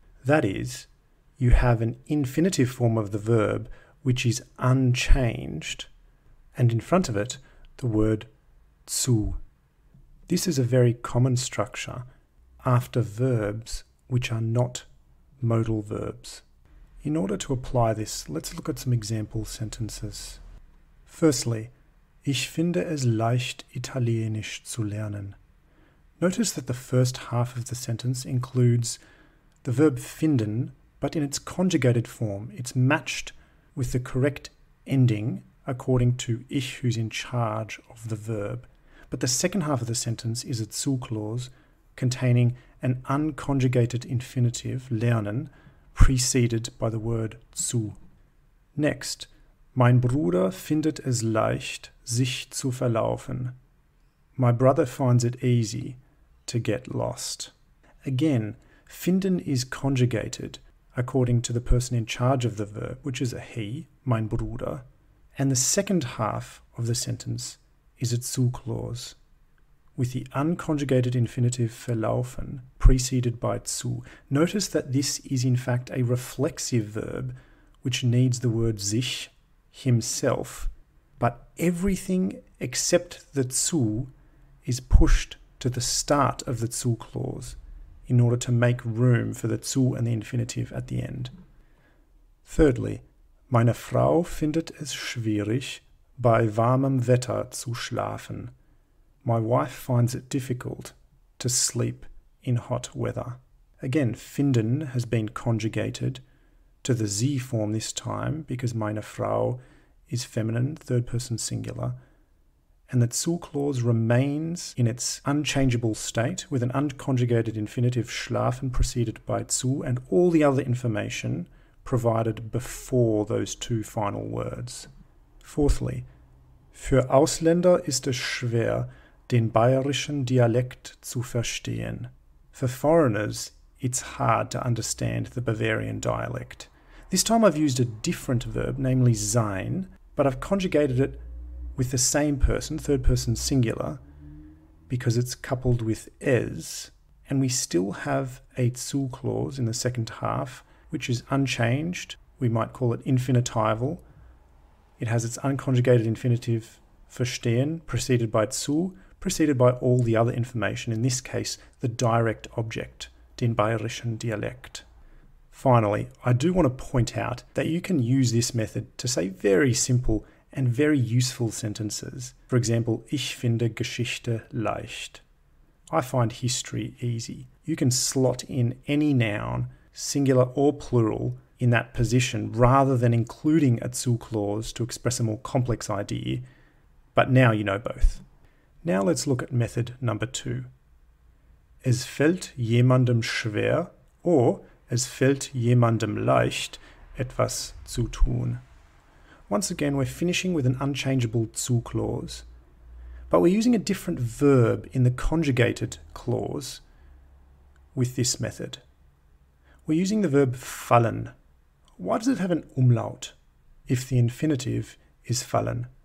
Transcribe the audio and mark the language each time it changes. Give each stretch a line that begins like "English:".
English: That is, you have an infinitive form of the verb which is unchanged, and in front of it, the word zu. This is a very common structure after verbs which are not modal verbs. In order to apply this, let's look at some example sentences.
German: Firstly, ich finde es leicht, Italienisch zu lernen.
English: Notice that the first half of the sentence includes the verb finden, but in its conjugated form. It's matched with the correct ending according to ich, who's in charge of the verb. But the second half of the sentence is a zu clause containing an unconjugated infinitive, lernen, preceded by the word zu.
German: Next, mein Bruder findet es leicht, sich zu verlaufen.
English: My brother finds it easy to get lost. Again, finden is conjugated according to the person in charge of the verb, which is a he, mein Bruder, and the second half of the sentence is a zu clause, with the unconjugated infinitive verlaufen preceded by zu. Notice that this is in fact a reflexive verb which needs the word sich, himself, but everything except the zu is pushed to the start of the zu clause in order to make room for the zu and the infinitive at the end.
German: Thirdly, meine Frau findet es schwierig, bei warmem Wetter zu schlafen.
English: My wife finds it difficult to sleep in hot weather. Again, finden has been conjugated to the Z form this time because meine Frau is feminine, third person singular, and the zu clause remains in its unchangeable state with an unconjugated infinitive schlafen preceded by zu and all the other information provided before those two final words.
German: Fourthly, für Ausländer ist es schwer, den bayerischen Dialekt zu verstehen.
English: For foreigners, it's hard to understand the Bavarian dialect. This time I've used a different verb, namely sein, but I've conjugated it with the same person, third person singular, because it's coupled with es, and we still have a zu clause in the second half, which is unchanged. We might call it infinitival. It has its unconjugated infinitive verstehen, preceded by zu, preceded by all the other information, in this case, the direct object, den bayerischen Dialekt. Finally, I do want to point out that you can use this method to say very simple and very useful sentences. For example,
German: ich finde Geschichte leicht.
English: I find history easy. You can slot in any noun, singular or plural, in that position rather than including a zu clause to express a more complex idea. But now you know both. Now let's look at method number two.
German: Es fällt jemandem schwer, or es fällt jemandem leicht, etwas zu tun.
English: Once again, we're finishing with an unchangeable zu clause. But we're using a different verb in the conjugated clause with this method. We're using the verb fallen. Why does it have an umlaut if the infinitive is fallen?